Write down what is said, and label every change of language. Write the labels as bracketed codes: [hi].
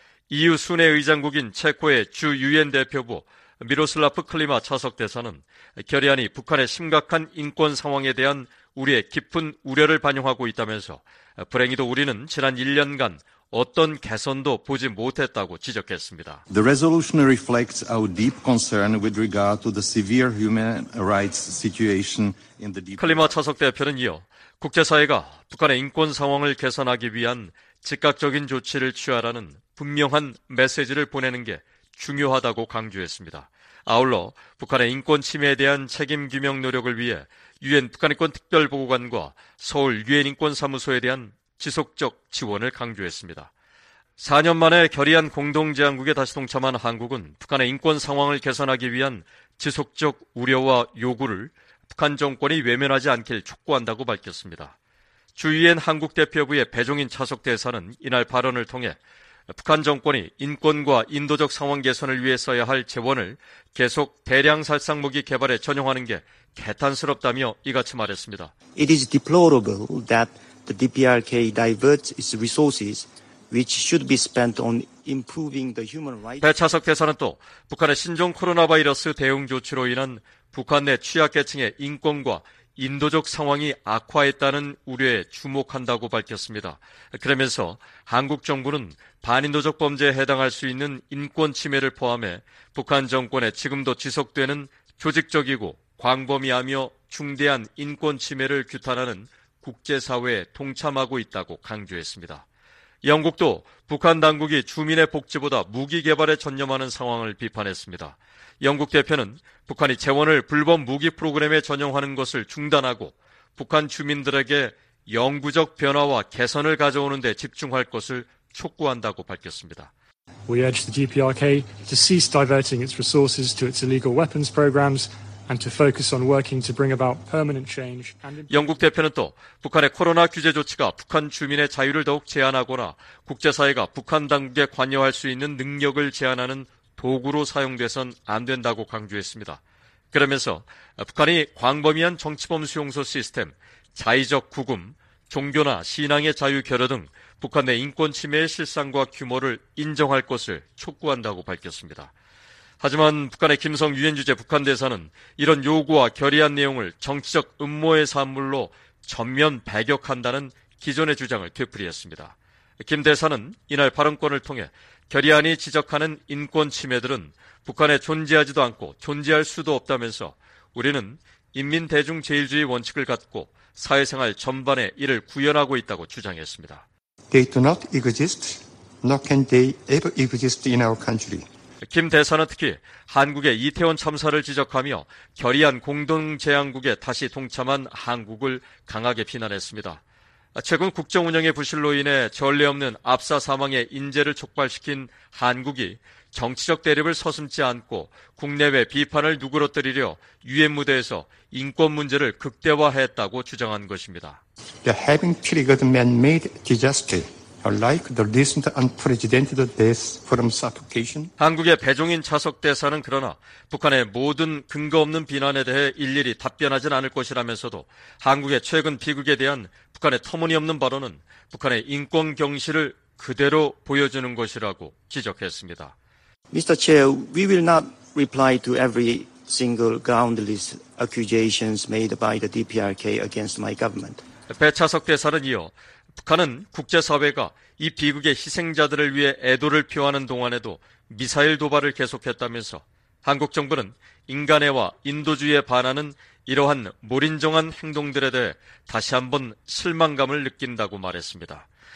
[ko] EU 순회 의장국인 체코의 주 유엔 대표부 미로슬라프 클리마 차석 대사는 결의안이 북한의 심각한 인권 상황에 대한 우리의 깊은 우려를 반영하고 있다면서 불행히도 우리는 지난 1년간 어떤 개선도 보지 못했다고 지적했습니다. [en] The resolution reflects our deep concern with regard to the severe human rights situation in the deep. [ko] 클리마 차석 대표는 이어 국제사회가 북한의 인권 상황을 개선하기 위한 즉각적인 조치를 취하라는 분명한 메시지를 보내는 게 중요하다고 강조했습니다. 아울러 북한의 인권 침해에 대한 책임 규명 노력을 위해 유엔 북한인권 특별보고관과 서울 유엔 인권사무소에 대한 지속적 지원을 강조했습니다. 4년 만에 결의안 공동제안국에 다시 동참한 한국은 북한의 인권 상황을 개선하기 위한 지속적 우려와 요구를 북한 정권이 외면하지 않길 촉구한다고 밝혔습니다. 주 유엔 한국 대표부의 배종인 차석 대사는 이날 발언을 통해 북한 정권이 인권과 인도적 상황 개선을 위해 써야 할 재원을 계속 대량 살상 무기 개발에 전용하는 게 개탄스럽다며 이같이 말했습니다. [en] It is deplorable that the DPRK diverts its resources which should be spent on improving the human rights. [ko] 배 차석 대사는 또 북한의 신종 코로나 바이러스 대응 조치로 인한 북한 내 취약계층의 인권과 인도적 상황이 악화했다는 우려에 주목한다고 밝혔습니다. 그러면서 한국 정부는 반인도적 범죄에 해당할 수 있는 인권 침해를 포함해 북한 정권의 지금도 지속되는 조직적이고 광범위하며 중대한 인권 침해를 규탄하는 국제사회에 동참하고 있다고 강조했습니다. 영국도 북한 당국이 주민의 복지보다 무기 개발에 전념하는 상황을 비판했습니다. 영국 대표는 북한이 재원을 불법 무기 프로그램에 전용하는 것을 중단하고 북한 주민들에게 영구적 변화와 개선을 가져오는 데 집중할 것을 촉구한다고 밝혔습니다. [en] We urge the DPRK to cease diverting its resources to its illegal weapons programs and to focus on working to bring about permanent change. [ko] 영국 대표는 또 북한의 코로나 규제 조치가 북한 주민의 자유를 더욱 제한하거나 국제사회가 북한 당국에 관여할 수 있는 능력을 제한하는 도구로 사용돼선 안 된다고 강조했습니다. 그러면서 북한이 광범위한 정치범 수용소 시스템, 자의적 구금, 종교나 신앙의 자유 결여 등 북한 내 인권 침해의 실상과 규모를 인정할 것을 촉구한다고 밝혔습니다. 하지만 북한의 김성 유엔 주재 북한 대사는 이런 요구와 결의안 내용을 정치적 음모의 산물로 전면 배격한다는 기존의 주장을 되풀이했습니다. 김 대사는 이날 발언권을 통해 결의안이 지적하는 인권 침해들은 북한에 존재하지도 않고 존재할 수도 없다면서 우리는 인민 대중 제일주의 원칙을 갖고 사회생활 전반에 이를 구현하고 있다고 주장했습니다. [en] They do not exist, nor can they ever exist in our country. [ko] 김 대사는 특히 한국의 이태원 참사를 지적하며 결의안 공동제안국에 다시 동참한 한국을 강하게 비난했습니다. 최근 국정운영의 부실로 인해 전례 없는 압사 사망의 인재를 촉발시킨 한국이 정치적 대립을 서슴지 않고 국내외 비판을 누그러뜨리려 유엔 무대에서 인권 문제를 극대화했다고 주장한 것입니다. [en] The having triggered man-made disaster, like the recent unprecedented deaths from suffocation. [ko] 한국의 배종인 차석 대사는 그러나 북한의 모든 근거 없는 비난에 대해 일일이 답변하진 않을 것이라면서도 한국의 최근 비극에 대한 북한의 터무니없는 발언은 북한의 인권 경시를 그대로 보여주는 것이라고 지적했습니다. [en] Mr. Chair, we will not reply to every single groundless accusations made by the DPRK against my government. [ko] 배차석 대사는 이어 북한은 국제사회가 이 비극의 희생자들을 위해 애도를 표하는 동안에도 미사일 도발을 계속했다면서 한국 정부는 인간애와 인도주의에 반하는 이러한 몰인정한 행동들에 대해 다시 한번 실망감을 느낀다고 말했습니다.